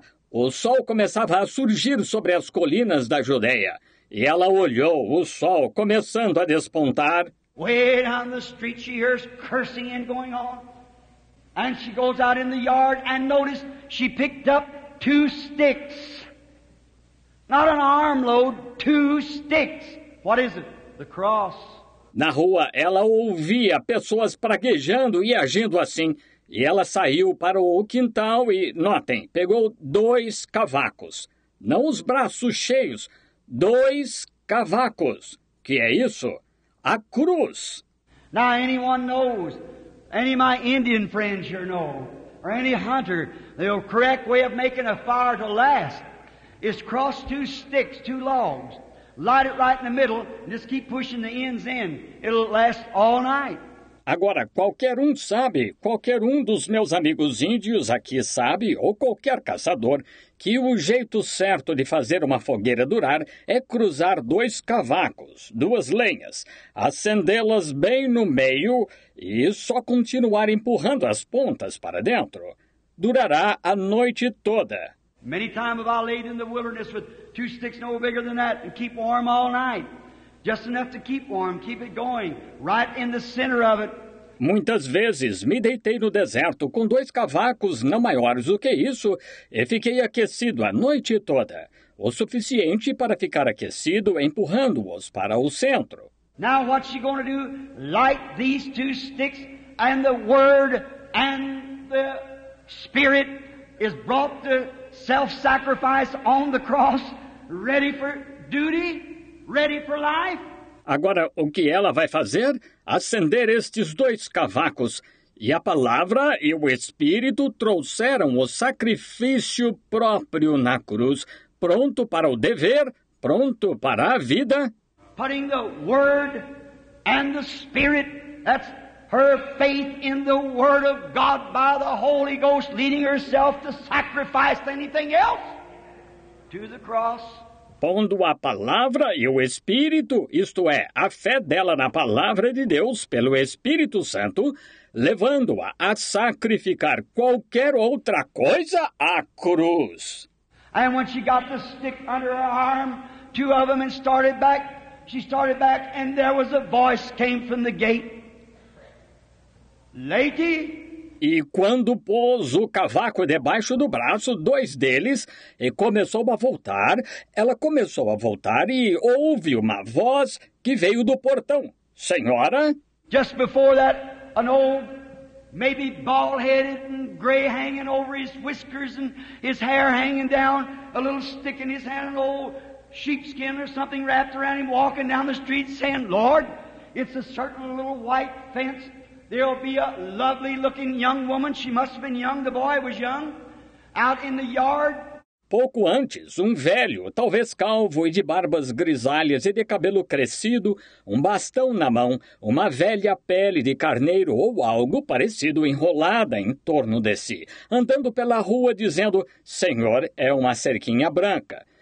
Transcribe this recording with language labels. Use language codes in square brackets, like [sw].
[pt] O sol começava a surgir sobre as colinas da Judeia. E ela olhou o sol começando a despontar. [en] Way down the street she hears cursing and going on. And she goes out in the yard and notices she picked up 2 sticks. Not an armload, 2 sticks. What is it? The cross. [pt] Na rua, ela ouvia pessoas praguejando e agindo assim. E ela saiu para o quintal e, notem, pegou 2 cavacos. Não os braços cheios, 2 cavacos. Que é isso? A cruz. [en] Now anyone knows, any of my Indian friends here know, or any hunter, the correct way of making a fire to last. Is cross 2 sticks, 2 logs, light it right in the middle, and just keep pushing the ends in. It'll last all night. [pt] Agora, qualquer um sabe, qualquer um dos meus amigos índios aqui sabe, ou qualquer caçador, que o jeito certo de fazer uma fogueira durar é cruzar 2 cavacos, 2 lenhas, acendê-las bem no meio e só continuar empurrando as pontas para dentro. Durará a noite toda. [en] Many times have I laid in the wilderness with 2 sticks no bigger than that and keep warm all night. Just enough to keep warm, keep it going, right in the center of it. [pt] Muitas vezes me deitei no deserto com 2 cavacos não maiores do que isso e fiquei aquecido a noite toda, o suficiente para ficar aquecido empurrando-os para o centro. [en] Now what's she going to do? Light these 2 sticks and the word and the spirit is brought to self-sacrifice on the cross, ready for duty, ready for life. [pt] Agora, o que ela vai fazer? Acender estes 2 cavacos. E a palavra e o Espírito trouxeram o sacrifício próprio na cruz, pronto para o dever, pronto para a vida. [en] Putting the word and the spirit, that's her faith in the Word of God by the Holy Ghost, leading herself to sacrifice anything else to the cross. [pt] Pondo a palavra e o Espírito, isto é, a fé dela na palavra de Deus pelo Espírito Santo, levando-a a sacrificar qualquer outra coisa à cruz. [en] And when she got the stick under her arm, 2 of them and started back, she started back and there was a voice came from the gate. Lady? [pt] E quando pôs o cavaco debaixo do braço, dois deles, e começou a voltar, ela começou a voltar e houve uma voz que veio do portão. Senhora? [en] Just before that, an old, maybe bald-headed and gray hanging over his whiskers and his hair hanging down, a little stick in his hand, an old sheepskin or something wrapped around him, walking down the street saying, Lord, it's a certain little white fence. There'll be a lovely-looking young woman. She must have been young. The boy was young. Out in the yard. [pt] Pouco antes, um velho, talvez calvo e de barbas grisalhas e de cabelo crescido, um bastão na mão, uma velha pele de carneiro ou algo parecido enrolada em torno de si, andando pela rua dizendo, Senhor, é uma cerquinha branca.